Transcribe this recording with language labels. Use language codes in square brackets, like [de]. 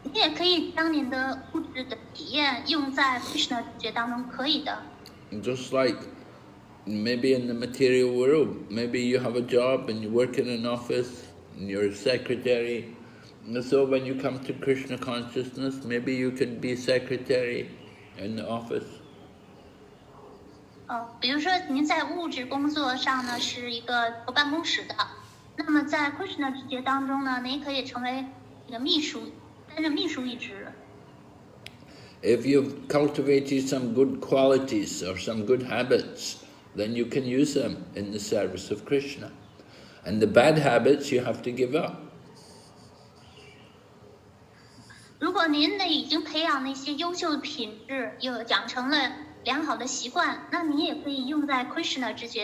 [zh] 你也可以将你的物质的体验用在 Krishna 觉当中，可以的。 [en] Just like maybe in the material world, maybe you have a job and you work in an office and you're a secretary. And so when you come to Krishna consciousness, maybe you can be secretary in the office. [zh] 比如说您在物质工作上呢是一个办公室的，那么在 Krishna 职业当中呢，您可以成为一个秘书，担任秘书一职。 [en] If you've cultivated some good qualities or some good habits, then you can use them in the service of Krishna. And the bad habits you have to give up. [zh] 如果您已经培养了一些优秀的品质，又养成了良好的习惯，那您也可以用在 Krishna